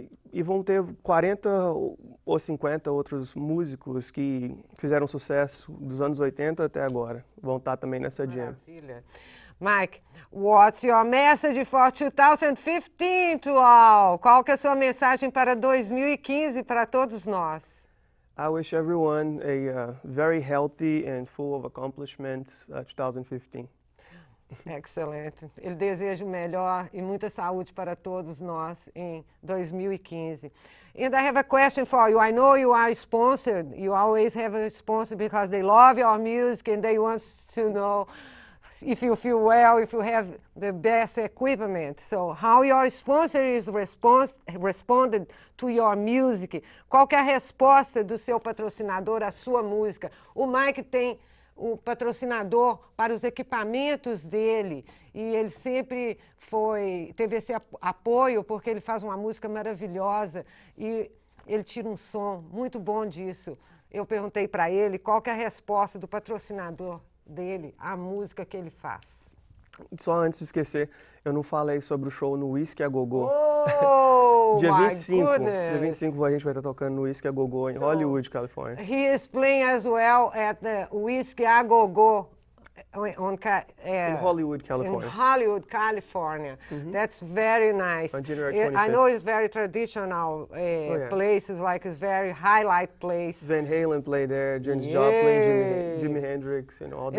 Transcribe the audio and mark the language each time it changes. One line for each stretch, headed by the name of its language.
Portuguese: E vão ter 40 ou 50 outros músicos que fizeram sucesso dos anos 80 até agora. Vão estar também nessa jam.
English: Maravilha. Mike, what's your message for 2015 to all?
Portuguese: Qual que é a sua mensagem para 2015 para todos nós?
English: I wish everyone a very healthy and full of accomplishments 2015. Excellent.
Portuguese: Ele deseja o melhor e muita saúde para todos nós em 2015.
English: And I have a question for you. I know you are sponsored. You always have a sponsor because they love your music and they want to know if you feel well, if you have the best equipment. So how your sponsor is responded to your music?
Portuguese: Qual que é a resposta do seu patrocinador à sua música? O Mike tem o patrocinador para os equipamentos dele, e ele sempre teve esse apoio, porque ele faz uma música maravilhosa e ele tira um som muito bom disso. eu perguntei para ele qual que é a resposta do patrocinador dele à música que ele faz. Só antes de esquecer, eu não falei sobre o show no Whisky a Gogô. Oh, dia 25.
English: Goodness.
Portuguese: Dia 25 a gente vai estar tocando no Whisky a Gogô em Hollywood, California.
English: He is playing as well at the Whisky a Gogô in Hollywood, California. In Hollywood, California. Mm-hmm. That's very nice. On January 25th. I know it's very traditional places, like it's very highlight place. Van Halen played there, James Joplin, Jimi Hendrix, and all the